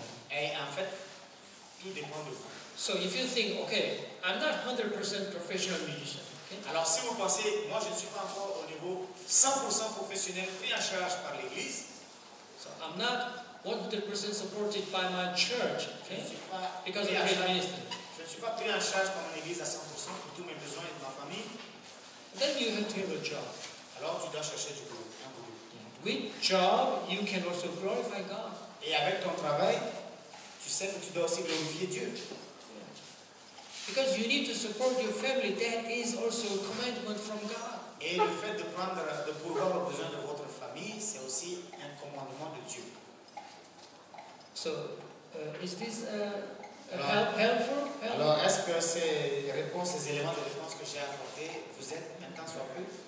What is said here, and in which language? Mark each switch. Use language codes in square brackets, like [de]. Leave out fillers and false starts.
[fr] Et en fait, tout dépend de vous. [en] So if you think, okay, I'm not 100% professional musician. Okay? [fr] Alors si vous pensez, moi je ne suis pas encore au niveau 100% professionnel pris en charge par l'Église. [en] So I'm not 100% supported by my church. Okay? Because of the ministry. [fr] Je ne suis pas pris en charge par mon Église à 100% pour tous mes besoins et de ma famille. [en] Then you have to have a job. [fr] Alors tu dois chercher du boulot. [en] With job, you can also glorify God. [fr] Et avec ton travail, tu sais que tu dois aussi glorifier Dieu. [en] Because you need to support your family, that is also a commandment from God. [fr] Et le fait de prendre, de pourvoir aux besoins de votre famille, c'est aussi un commandement de Dieu. [en] So, is this helpful? [fr] Alors, est-ce que ces réponses, ces éléments de réponse que j'ai apportés, vous êtes maintenant soit plus?